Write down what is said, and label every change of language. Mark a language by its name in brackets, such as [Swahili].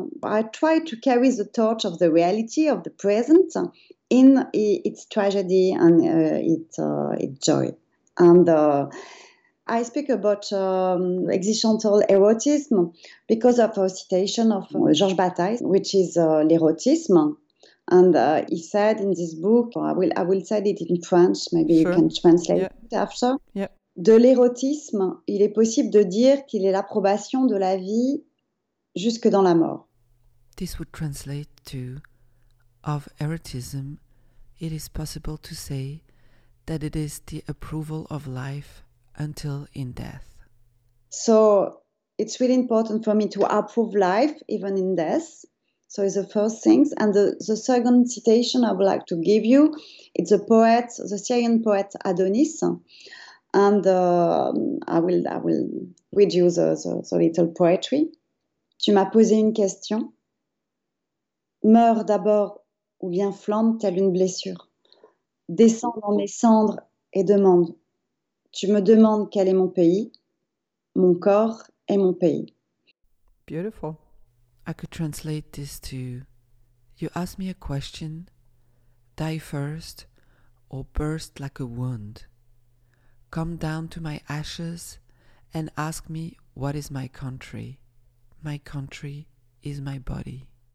[English] I try to carry the torch of the reality of the present in its tragedy and its joy. And I speak about existential erotism because of a citation of Georges Bataille, which is l'érotisme. And he said in this book, I will say it in French, maybe sure. You can translate it after. Yeah. [French] De l'érotisme, il est possible de dire qu'il est l'approbation de la vie jusque dans la mort. [English] This would translate to, of erotism, it is possible to say that it is the approval of life until in death. So it's really important for me to approve life even in death. So it's the first thing. And the second citation I would like to give you, it's a poet, the Syrian poet Adonis. And I will read you the little poetry. [French] Tu m'as posé une question. Meurs d'abord ou bien flambe telle une blessure. Descends dans mes cendres et demande. Tu me demandes quel est mon pays, mon corps est mon pays. [English] Beautiful. I could translate this to, you ask me a question, die first or burst like a wound. Come down to my ashes and ask me what is my country. My country is my body.